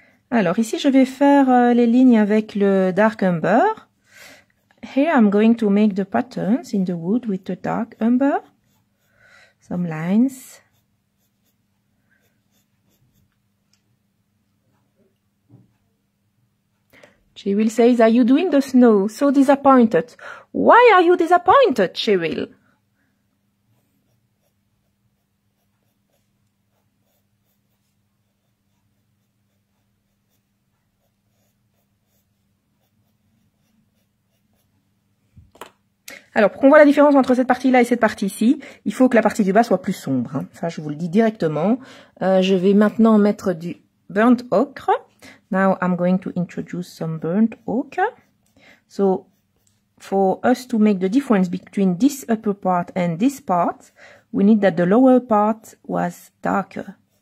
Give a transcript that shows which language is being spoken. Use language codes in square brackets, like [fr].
[fr] Alors, ici, je vais faire les lignes avec le dark umber. [en] Here, I'm going to make the patterns in the wood with the dark umber. Some lines. Cheryl says, are you doing the snow? So disappointed. Why are you disappointed, Cheryl? [fr] Alors, pour qu'on voit la différence entre cette partie-là et cette partie-ci, il faut que la partie du bas soit plus sombre. Hein. Ça, je vous le dis directement. Je vais maintenant mettre du burnt ochre. [en] Now I'm going to introduce some burnt ochre. So for us to make the difference between this upper part and this part, we need that the lower part was darker.